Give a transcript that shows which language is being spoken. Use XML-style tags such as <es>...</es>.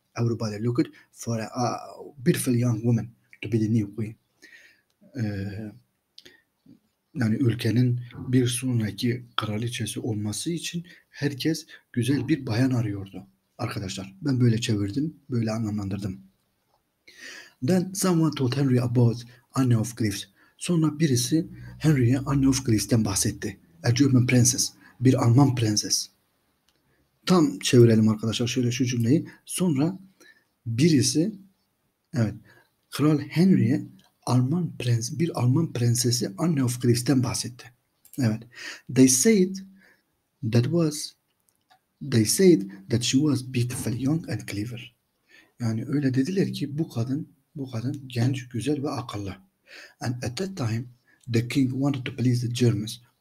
<en>Everybody looked for a beautiful young woman to be the new queen.</en> <tr>Yani ülkenin bir sonraki kraliçesi olması için herkes güzel bir bayan arıyordu. Arkadaşlar ben böyle çevirdim, böyle anlamlandırdım.</tr> <en>Then someone told Henry about Anne of Cleves.</en> <tr>Sonra birisi Henry'e Anne of Cleves'ten bahsetti.</tr> <en>A German princess,</en> <tr>bir Alman prenses. Tam çevirelim arkadaşlar şöyle şu cümleyi. Sonra birisi, evet, Kral Henry'e bir Alman prensesi Anne of Cleves'ten bahsetti. Evet.</tr> <en>They said that she was beautiful, young and clever.</en> <tr>Yani öyle dediler ki bu kadın genç, güzel ve akıllı.</tr> <en>And at that time the king wanted to please the Germans.</en>